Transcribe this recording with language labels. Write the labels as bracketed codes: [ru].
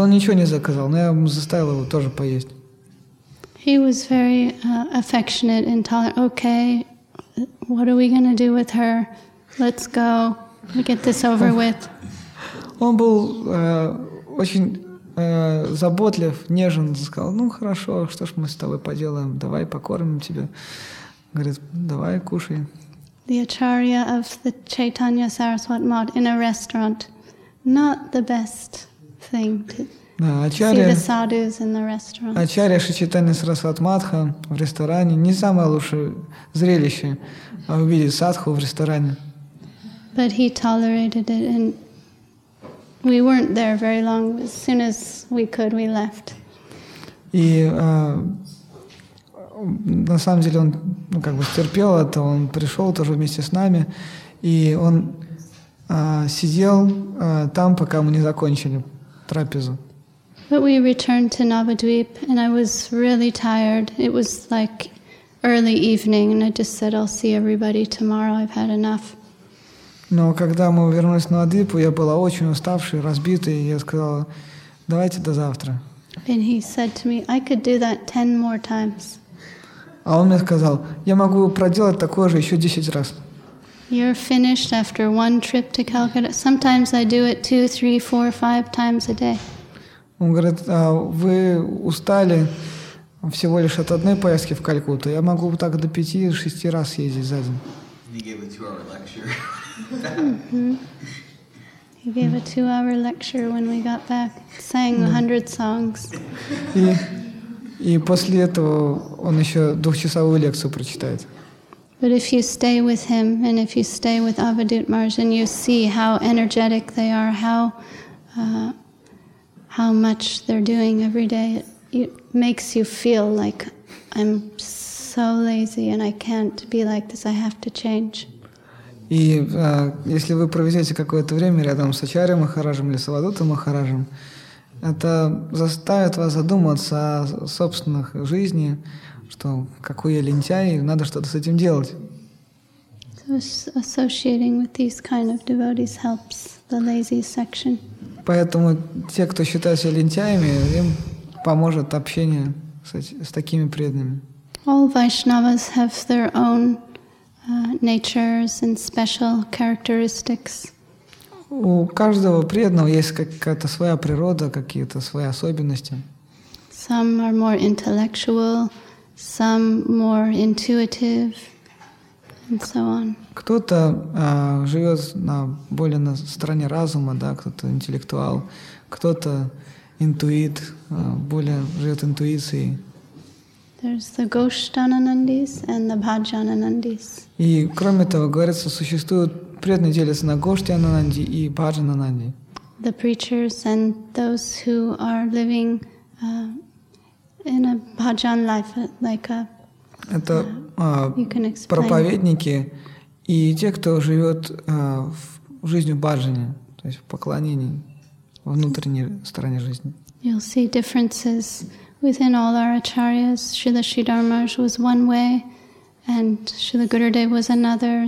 [ru] Он ничего не заказал, но я заставил его тоже поесть. [en] He was very affectionate and tolerant. Okay, what are we going to do with her? Let's go. We get this over with. [ru] Он был очень заботлив, нежен. Сказал, ну хорошо, что ж мы с тобой поделаем? Давай покормим тебя. Говорит, давай кушай. [en] The acharya of the Chaitanya Saraswat Mod in a restaurant. Not the best thing to see the sadhus in the restaurant. [ru] Acharya Shri Chaitanya Saraswat Madha в ресторане не самое лучшее зрелище, а увидеть садху в ресторане. [en] But he tolerated it and we weren't there very long. As soon as we could, we left. [ru] И на самом деле он как бы терпел это, он пришел тоже вместе с нами, и он сидел там, пока мы не закончили трапезу. [en] But we returned to Navadvip, and I was really tired. It was like early evening, and I just said, I'll see everybody tomorrow, I've had enough. [ru] Но когда мы вернулись в Навадвип, я была очень уставшей, разбитой, и я сказала, давайте до завтра. [en] And he said to me, I could do that 10 more times. [ru] А он мне сказал, я могу проделать такое же еще 10 раз. [en] You're finished after one trip to Calcutta. Sometimes I do it 2, 3, 4, 5 times a day. [ru] Он говорит, вы устали всего лишь от одной поездки в Калькутту. Я могу так до 5-6 раз ездить за день. [en] He gave a 2-hour lecture. He gave a 2-hour lecture when we got back. Sang 100 songs. [ru] И после этого он еще двухчасовую лекцию прочитает. [en] But if you stay with him and if you stay with Avadhut Maharaj and you see how energetic they are, how much they're doing every day, it makes you feel like I'm so lazy and I can't be like this, I have to change. [ru] И если вы проведете какое-то время рядом с Ачарьей Махараджем или с Авадхутом Махараджем, это заставит вас задуматься о собственных жизни, что какой я лентяй, надо что-то с этим делать. [en] So associating with these kind of devotees helps the lazy section. [ru] Поэтому те, кто считают себя лентяями, им поможет общение с такими преданными. [en] All Vaishnavas have their own natures and special characteristics. [ru] У каждого преданного есть какая-то своя природа, какие-то свои особенности. [en] Some are more intellectual, some more intuitive, and so on. [ru] Кто-то живет на более на стороне разума, да, кто-то интеллектуал, кто-то интуит, более живет интуицией. [en] There's the Goshtananandis and the Bhajananandis. [ru] И кроме того, говорится, существуют преданные делятся на Гоштиананди и Бхаджананди. [en] The preachers and those who are living in a bhajan life, like a. [ru] Это проповедники и те, кто живет в жизнью бхаджани, то есть в поклонении, во внутренней стороне жизни. [en] You'll see differences within all our acharyas. Srila Sridhar Maharaj was one way, and Srila Gurudev was another.